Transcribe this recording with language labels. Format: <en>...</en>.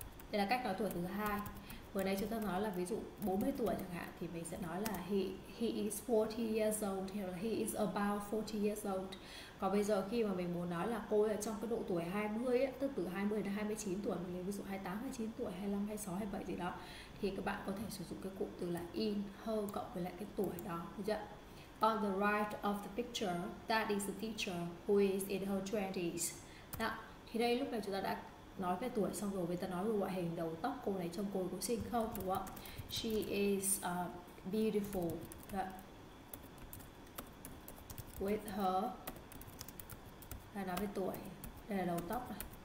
<vi>Đây là cách nói tuổi thứ hai. Vừa nãy chúng ta nói là ví dụ 40 tuổi chẳng hạn thì mình sẽ nói là</vi> <en>he is 40 years old,</en> <vi>hoặc là</vi> <en>he is about 40 years old.</en> <vi>Còn bây giờ khi mà mình muốn nói là cô ấy ở trong cái độ tuổi 20 ấy, tức từ 20 đến 29 tuổi, mình lấy ví dụ 28, 29 tuổi, 25, 26, 27 gì đó, thì các bạn có thể sử dụng cái cụm từ là</vi> <en>in her</en> <vi>cộng với lại cái tuổi đó, được chưa?</vi> <en>On the right of the picture, that is the teacher who is in her 20s.</en> <vi>Đó. Thì đây lúc này chúng ta đã nói về tuổi xong rồi, người ta nói về ngoại hình, đầu tóc cô này trông cô có xinh không đúng không?</vi> <en>She is beautiful. With her,</en> <vi>là nói về tuổi, đây là đầu tóc này.</vi>